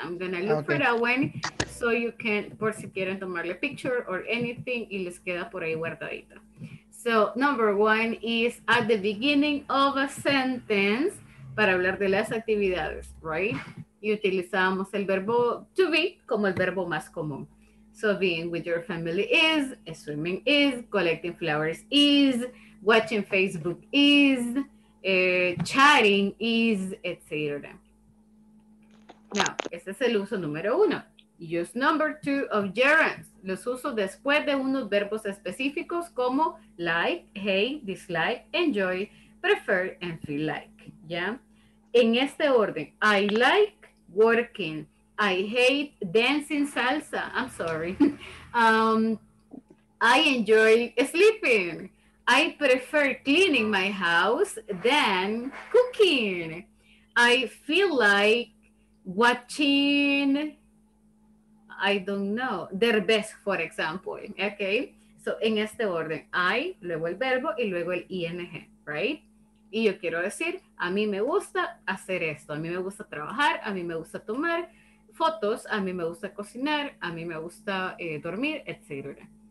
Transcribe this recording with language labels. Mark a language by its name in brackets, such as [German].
[English] I'm going to look for that one so you can, [Spanish] por si quieren tomarle [English] picture or anything, [Spanish] y les queda por ahí guardadita. [English] So, number one is at the beginning of a sentence [Spanish] para hablar de las actividades, [English] right? [Spanish] Y utilizamos el verbo to be como el verbo más común. [English] So, being with your family is, swimming is, collecting flowers is, watching Facebook is, chatting is, etc. [Spanish] Now, este es el uso número uno. [English] Use number two of gerunds. [Spanish] Los uso después de unos verbos específicos como [English] like, hate, dislike, enjoy, prefer, and feel like. [Spanish] ¿Ya? En este orden, [English] I like working. I hate dancing salsa. I'm sorry. I enjoy sleeping. I prefer cleaning my house than cooking. I feel like watching, I don't know, their best, for example. Okay, so [Spanish] en este orden, I, luego el verbo y luego el ing, [English] right? [Spanish] Y yo quiero decir, a mí me gusta hacer esto, a mí me gusta trabajar, a mí me gusta tomar fotos, a mí me gusta cocinar, a mí me gusta dormir, etc.